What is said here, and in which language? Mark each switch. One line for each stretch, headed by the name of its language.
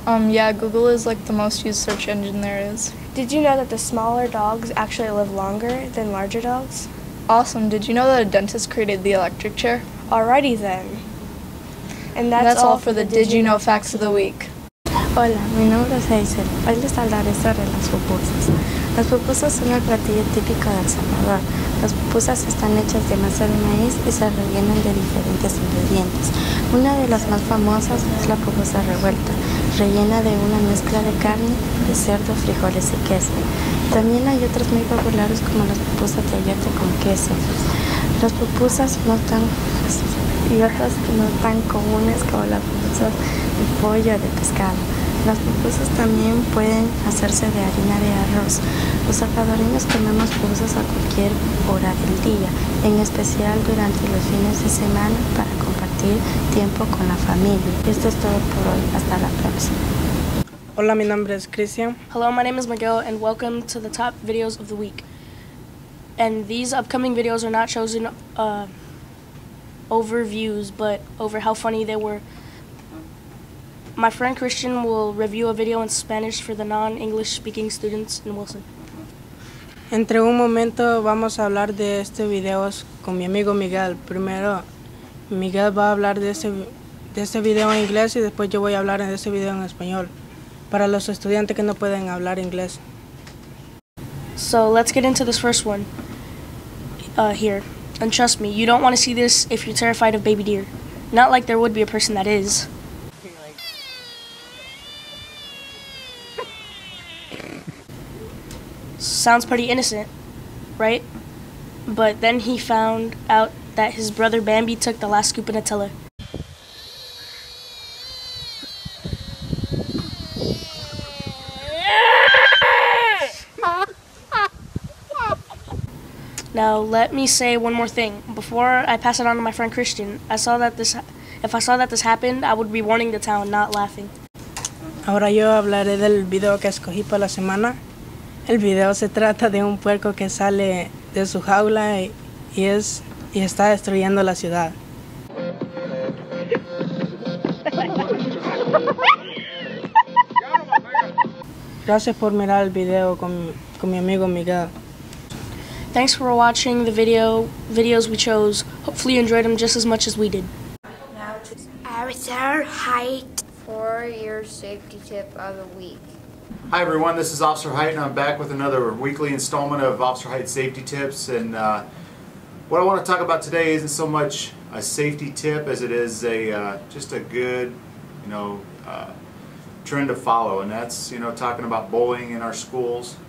English: Yeah, Google is like the most used search engine there is. Did you know that the smaller dogs actually live longer than larger dogs? Awesome. Did you know that a dentist created the electric chair? Alrighty then. And that's all for the Did You Know Facts of the Week.
Spanish: Hola, mi nombre es Hazel. Hoy les hablaré sobre las pupusas. Las pupusas son el platillo típico de El Salvador. Las pupusas están hechas de masa de maíz y se rellenan de diferentes ingredientes. Una de las más famosas es la pupusa revuelta, rellena de una mezcla de carne, de cerdo, frijoles y queso. También hay otras muy populares como las pupusas de ayote con queso. Las pupusas no tan y otras no tan comunes como las pupusas de pollo o de pescado. Las pupusas también pueden hacerse de harina de arroz. Los salvadoreños comemos pupusas a cualquier hora del día, en especial durante los fines de semana para compartir tiempo con la familia. Esto es todo por hoy. Hasta la próxima. Hola, mi nombre es Cristian.
English: Hello, my name is Miguel, and welcome to the top videos of the week. And these upcoming videos are not chosen over views, but over how funny they were. My friend Christian will review a video in Spanish for the non-English speaking students in Wilson.
Spanish: Entre un momento vamos a hablar de este video con mi amigo Miguel. Primero, Miguel va a hablar de este video en inglés y después yo voy a hablar de este video en español para los estudiantes que no pueden hablar inglés.
English: So let's get into this first one here. And trust me, you don't want to see this if you're terrified of baby deer. Not like there would be a person that is. Sounds pretty innocent, right? But then he found out that his brother Bambi took the last scoop of Nutella. Now let me say one more thing before I pass it on to my friend Christian. If I saw that this happened, I would be warning the town, not laughing.
Spanish: Ahora yo hablaré del video que escogí para la semana. El video se trata de un puerco que sale de su jaula y está destruyendo la ciudad. Gracias por mirar el video con mi amigo Miguel.
English: Thanks for watching the videos we chose. Hopefully you enjoyed them just as much as we did. Officer Height for your safety tip of the week. Hi everyone, this is Officer Height and I'm back with another weekly installment of Officer Height Safety Tips. And what I want to talk about today isn't so much a safety tip as it is a good trend to follow, and that's, you know, talking about bullying in our schools.